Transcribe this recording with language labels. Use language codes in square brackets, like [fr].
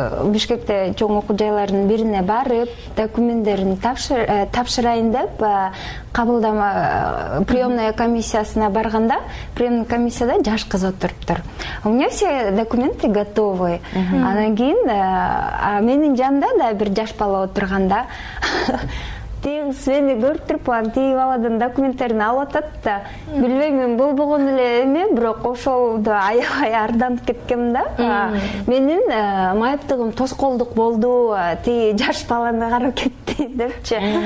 [ky] Бишкекте чоң окуу жайлардын бирине барып, документтерин тапшырайын деп кабылдама приемная комиссиясына барганда, приемная комиссияда жаш кыз отуруптур. [ru] У меня все документы готовы. [ky] Анан кийин менин жанымда да бир жаш бала отурганда тигиз мени көрүп туруп анан тиги баладан документтерин алып атат да. Билбейм, мен болбогон эле эме, бирок ошолду аябай арданып кеткем да. Менин майыптыгым тоскоолдук болду, тиги жаш баланы карап кетти депчи.